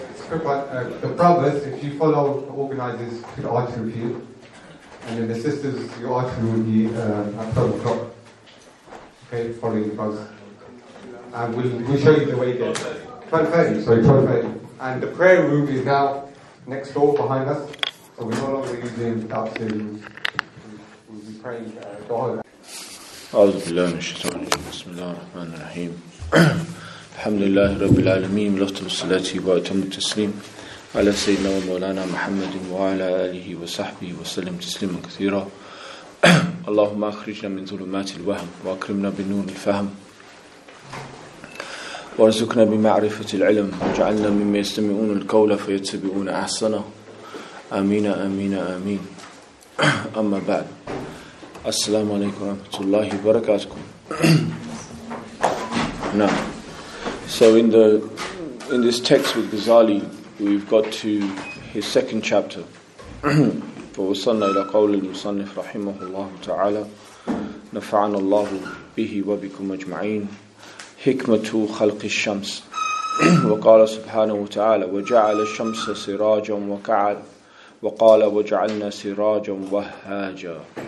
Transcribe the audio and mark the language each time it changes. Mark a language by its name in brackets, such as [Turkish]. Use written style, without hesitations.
[English] The brothers, if you follow the organizers to the archery review, and then the sisters, your archery will be at 12 o'clock. Okay, following the brothers. And we'll show you the way there. 12:30, sorry, 12:30. And the prayer room is now next door behind us, so we're no longer using the upstairs room. We'll be praying God. [Arabic] أعوذ بالله من الشيطان الرجيم بسم الله الرحمن الرحيم الحمد لله رب العالمين لطف الصلاة وأتم التسليم على سيدنا ومولانا محمد وعلى آله وصحبه وسلم تسليما كثيرا اللهم أخرجنا من ظلمات الوهم وأكرمنا بنور الفهم وارزقنا بمعرفة العلم وجعلنا مما يستمعون القول فيتبعون أحسنه آمين آمين آمين أما بعد Assalamu alaikum wa rahmatullahi wa barakatuh. [English] Now, so in this text with Ghazali, we've got to his second chapter. [Arabic] فَوَصَلْنَا إِلَىٰ قَوْلِ الْمُصَنِّفِ رَحِمَهُ اللَّهُ تَعَالَىٰ نَفَعَنَا اللَّهُ بِهِ وَبِكُمْ أَجْمَعِينَ حِكْمَةُ خَلْقِ الشَّمْسِ وَقَالَ سُبْحَانَهُ وَتَعَالَىٰ وَجَعَلَ الشَّمْسَ سِرَاجًا وَقَالَ وَجَعَلْنَا سِرَاجًا وَهَّاجًا.